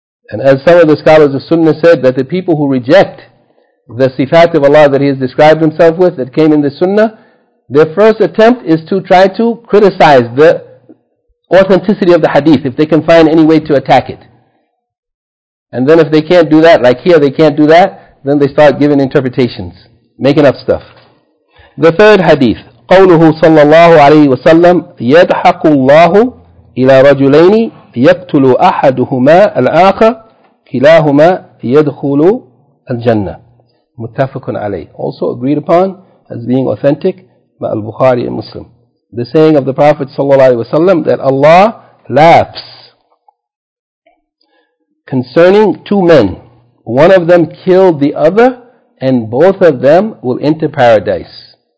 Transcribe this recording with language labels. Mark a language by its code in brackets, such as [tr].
[en] And as some of the scholars of Sunnah said, that the people who reject the sifat of Allah that He has described Himself with, that came in the Sunnah, their first attempt is to try to criticize the authenticity of the hadith, if they can find any way to attack it. And then if they can't do that, like here they can't do that, then they start giving interpretations, making up stuff. The third hadith, [ar] قوله صلى الله عليه وسلم يضحك الله إلى رجلين يقتل أحدهما الآخر كلاهما يدخل الجنة. متفق عليه. [en] Also agreed upon as being authentic by Al-Bukhari and Muslim. The saying of the Prophet صلى الله عليه وسلم that Allah laughs concerning two men. One of them killed the other and both of them will enter paradise.